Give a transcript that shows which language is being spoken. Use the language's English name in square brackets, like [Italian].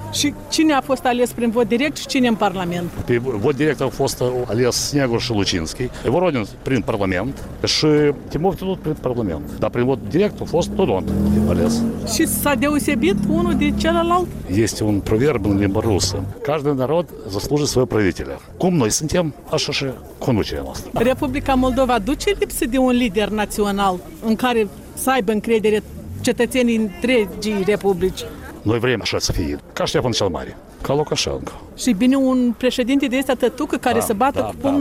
[Romanian] Și cine a fost ales prin vot direct și cine în Parlament? Pe vot direct a fost ales Snegur și Lucinski, Voronin prin Parlament și Timofte tot prin Parlament. Dar prin vot direct a fost Dodon ales. Și s-a deosebit unul de celălalt? Este un proverb în limba rusă. [Russian] Каждый народ заслужит своего правителя. [Romanian] Cum noi suntem, așa și conducerea noastră. Republica Moldova duce lipsă de un lider național în care să aibă încredere cetățenii întregii republici. Noi vrem așa să fie, ca Ștefan cel Mare, ca Lukashenko. Și bine un președinte de este tătucă care da, se bată da, cu pumnul